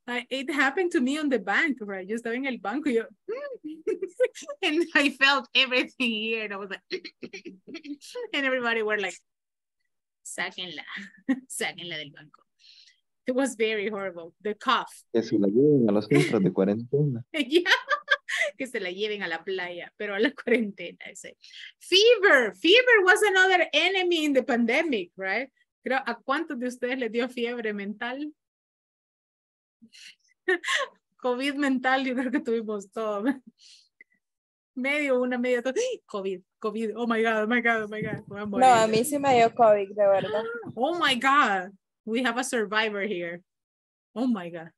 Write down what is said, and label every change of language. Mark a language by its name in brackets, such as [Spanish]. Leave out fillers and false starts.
[English] It happened to me on the bank, right? [Spanish] Yo estaba en el banco y yo, [English] and I felt everything here. And I was like, and everybody were like, [Spanish] sáquenla, sáquenla del banco. [English] It was very horrible. The cough. [Spanish] Que se la lleven a los centros de cuarentena. [English] Yeah. [Spanish] Que se la lleven a la playa, pero a la cuarentena. [English] I say. Fever. Fever was another enemy in the pandemic, right? [Spanish] Creo, ¿a cuántos de ustedes les dio fiebre mental? COVID mental, yo creo que tuvimos todo. Medio, una media, todo. [English] COVID, COVID, oh my God, oh my God, oh my God. [Spanish] No, a mí sí me dio COVID, de verdad. [English] Oh my God, we have a survivor here. Oh my God.